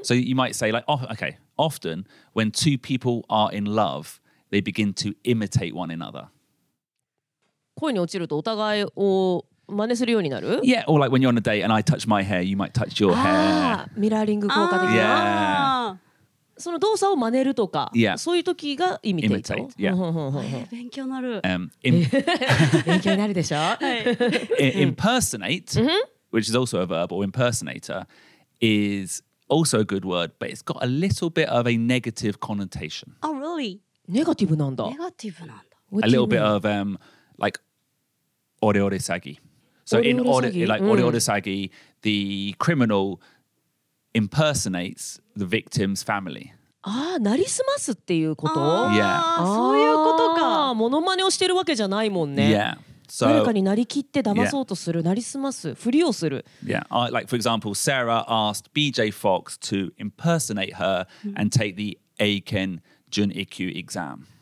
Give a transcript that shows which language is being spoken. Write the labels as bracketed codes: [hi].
[en] So you might say like, oh, okay, often when two people are in love, they begin to imitate one another. [ja] 恋に落ちるとお互いを真似するようになる? [en] Yeah, or like when you're on a date and I touch my hair, you might touch your hair. [ja] ミラーリング効果的な。 [en] Yeah. [ja] その動作を真似るとか、 [en] yeah. [ja] そういう時が imitate。 [en] Imitate, yeah. [ja] 勉強になる。勉強になるでしょ? [en] Impersonate, which is also a verb, or impersonator, is also a good word, but it's got a little bit of a negative connotation. Oh, really? [ja] Negative なんだ。 Negative なんだ。 [en] A little bit of, like, ore ore sagi. So in ore, like, ore ore sagi, the criminal impersonates the victim's family. [ja] Ah, なりすますっていうこと? [en] Yeah. [ja] そういうことか。モノマネをしてるわけじゃないもんね。 [en] Yeah. [ja] So, 誰かになりきって騙そうとする、なりすます、ふりをする。 [en] Yeah. Like, for example, Sarah asked BJ Fox to impersonate her and take the Aiken Jun IQ exam.